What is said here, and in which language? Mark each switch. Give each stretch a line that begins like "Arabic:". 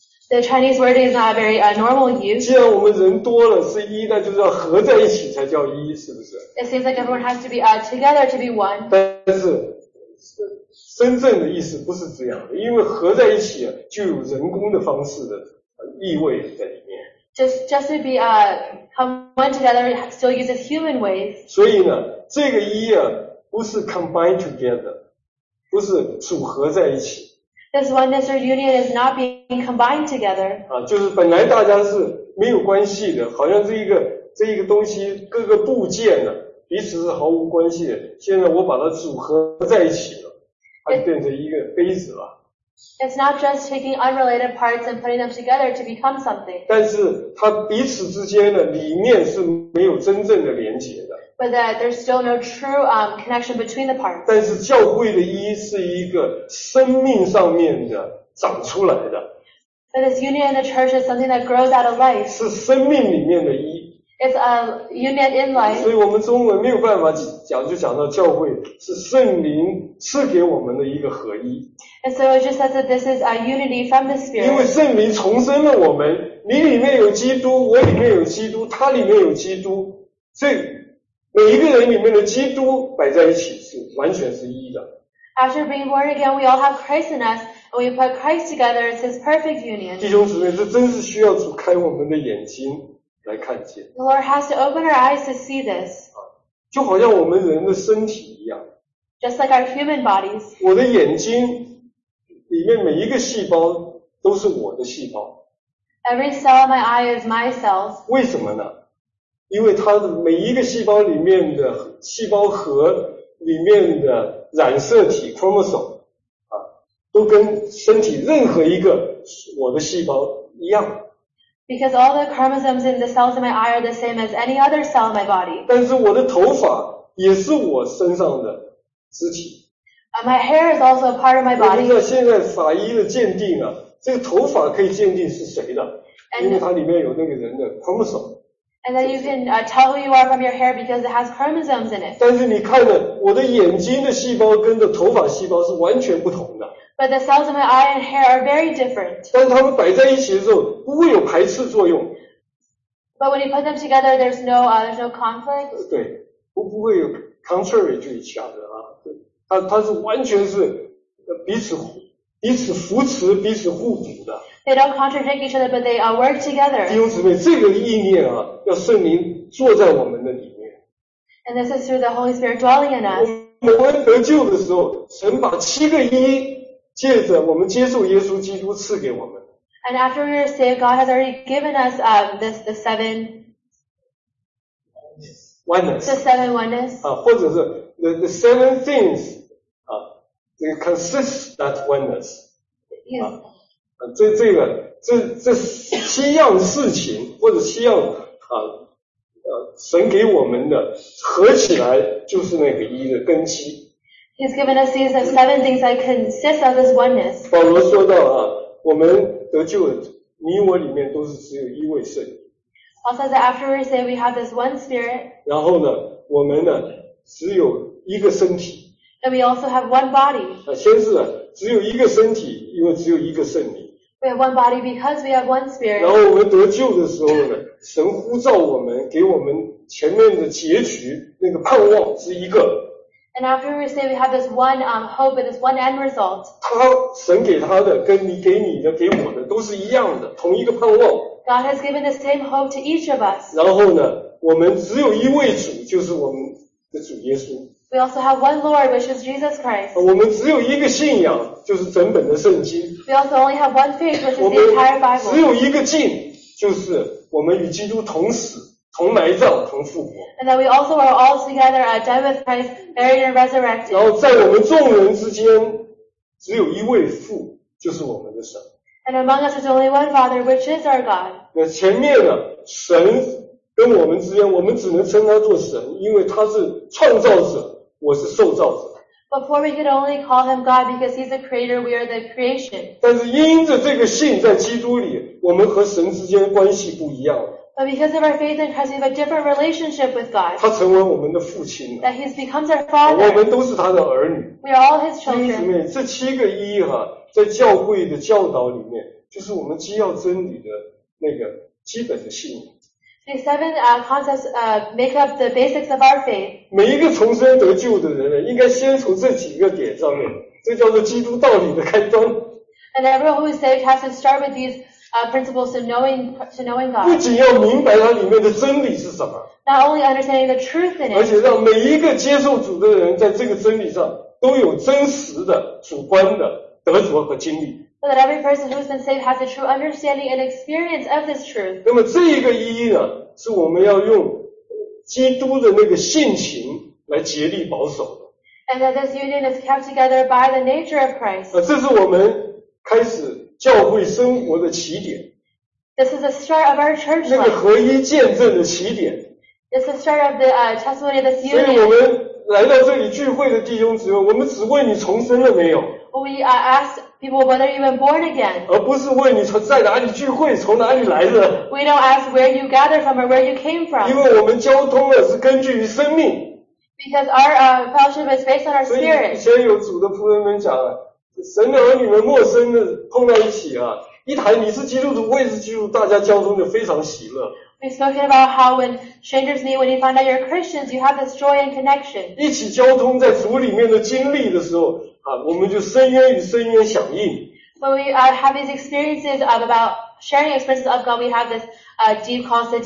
English: The Chinese word is not a very normal use.
Chinese: 既然我们人多了是一，那就是要合在一起才叫一，是不是？
English: It seems like everyone has to be together to be one.
Chinese: 但是真正的意思不是这样的，因为合在一起就有人工的方式的意味在里面。
English: Just to be come one together still uses human ways.
Chinese: 所以呢，这个一啊，不是
English: combine together，
Chinese: 不是组合在一起。
English: This oneness or union is not being combined together.
Chinese: 就是本来大家是没有关系的，好像这一个东西各个部件呢、啊，彼此是毫无关系的，现在我把它组合在一起了，它就变成一个杯子了。
English: It's not just taking unrelated parts and putting them together to become something.
Chinese: 但是它彼此之间的理念是没有真正的连结的。
English: But that there's still no true connection between the parts.
Chinese: 但是教会的一是一个生命上面的长出来的。
English: But this union in the church is something that grows out of life.
Chinese: 是生命里面的一。
English: It's a union in life.
Chinese: 所以我们中文没有办法讲，就讲到教会是圣灵赐给我们的一个合一。
English: And so it just says that this is a unity from the Spirit.
Chinese: 因为圣灵重生了我们，你里面有基督，我里面有基督，他里面有基督，这每一个人里面的基督摆在一起是完全是一的。
English: After being born again, we all have Christ in us, and we put Christ together, it's His perfect union.
Chinese: 弟兄姊妹，这真是需要主开我们的眼睛来看见。
English: The Lord has to open our eyes to see this.
Chinese: 就好像我们人的身体一样。
English: Just like our human bodies.
Chinese: 我的眼睛里面每一个细胞都是我的细胞。
English: Every cell in my eye is my cells.
Chinese: 为什么呢？因为它的每一个细胞里面的细胞核里面的染色体 chromosome 啊，都跟身体任何一个我的细胞一样。
English: Because all the chromosomes in the cells in my eye are the same as any other cell in my body.
Chinese: 但是我的头发也是我身上的肢体。
English: My hair is also a part of my body.
Chinese: 现在法医的鉴定啊，这个头发可以鉴定是谁的，因为它里面有那个人的 chromosome.
English: And then you can tell who you are from your hair because it has chromosomes in it.
Chinese: 但是你看的，我的眼睛的细胞跟着头发细胞是完全不同的。
English: But the cells in my eye and hair are very different.
Chinese: 但它们摆在一起的时候不会有排斥作用。
English: But when you put them together, there's no conflict.
Chinese: 对，不会有 contrary 就是假的啊。它是完全是彼此扶持、彼此互补的。
English: They don't contradict each other, but they work together.
Chinese: 弟兄姊妹，这个意念啊，要圣灵坐在我们的里面。
English: And this is through the Holy Spirit dwelling in us.
Chinese: 我们得救的时候，神把七个一借着我们接受耶稣基督赐给我们。
English: And after we are saved, God has already given us the seven oneness. The seven oneness.
Chinese: 啊，或者是。
English: The seven things, they consist that oneness. Yes.
Chinese: 这七样事情或者七样神给我们的合起来就是那个一的根基。
English: He's given us these seven things that consist of this oneness.
Chinese: 保罗说到我们得救你我里面都是只有一位圣灵。
English: Paul says that after we say we have this one spirit.
Chinese: 然后呢我们呢只有一个身体。
English: And we also have one body.
Chinese: 先是只有一个身体，因为只有一个圣灵。
English: We have one body because we have one spirit.
Chinese: 然后我们得救的时候呢，神呼召我们，给我们前面的结局那个盼望是一个。
English: And after we say we have this one hope and this one end result.
Chinese: 他神给他的跟你给你的给我的都是一样的，同一个盼望。
English: God has given the same hope to each of us.
Chinese: 然后呢，我们只有一位主，就是我们的主耶稣。
English: We also have one Lord, which is Jesus Christ.
Chinese: 我们只有一个信仰，就是整本的圣经。
English: We also only have one faith, which is the entire Bible.
Chinese: 只有一个敬，就是我们与基督同死、同埋葬、同复活。
English: And that we also are all together a dead with Christ, buried and resurrected.
Chinese: 然后在我们众人之间，只有一位父，就是我们的神。
English: And among us is only one Father, which is our God.
Chinese: 那前面呢，神跟我们之间，我们只能称他做神，因为他是创造者。我是受造者。
English: Before we could only call him God because he's the creator, we are the creation.
Chinese: 但是因着这个信在基督里，我们和神之间关系不一样。
English: But because of our faith in Christ, we have a different relationship with God.
Chinese: 他成为我们的父亲。
English: That he's becomes our father.
Chinese: 我们都是他的儿女。
English: We are all his children.
Chinese: 弟兄姊妹，这七个一哈，在教会的教导里面，就是我们基要真理的那个基本的信仰。
English: The seven concepts make up the basics of our faith.
Chinese: 每一个重生得救的人应该先从这几个点上面，这叫做基督道理的开端。
English: And everyone who is saved has to start with these principles to knowing God.
Chinese: 不仅要明白它里面的真理是什么，
English: Not only understanding the truth in it.
Chinese: 而且让每一个接受主的人在这个真理上都有真实的主观的得着和经历。
English: So that every person who has been saved has a true understanding and experience of this truth.
Chinese: 那么这一个意义呢，是我们要用基督的那个性情来竭力保守。
English: And that this union is kept together by the nature of Christ.
Chinese: 这是我们开始教会生活的起点。
English: This is the start of our church life.
Chinese: 那个合一见证的起点。
English: This is the start of the testimony of this union.
Chinese: 所以我们来到这里聚会的弟兄姊妹，我们只问你重生了没有。
English: We ask people whether you've been born again.
Chinese: 而不是问你在哪里聚会，从哪里来的。
English: We don't ask where you gather from or where you came from.
Chinese: 因为我们交通了是根据于生命。
English: Because our fellowship is based on our spirit.
Chinese: 所以以前有主的仆人们讲了，神的儿女们陌生的碰到一起啊，一谈你是基督徒，我也是基督徒，大家交通就非常喜乐。
English: We've spoken about how when strangers meet, when you find out you're Christians, you have this joy and connection.
Chinese: 一起交通在主里面的经历的时候啊，我们就深渊与深渊响应。
English: So we have these experiences of about sharing experiences of God. We have this deep constant.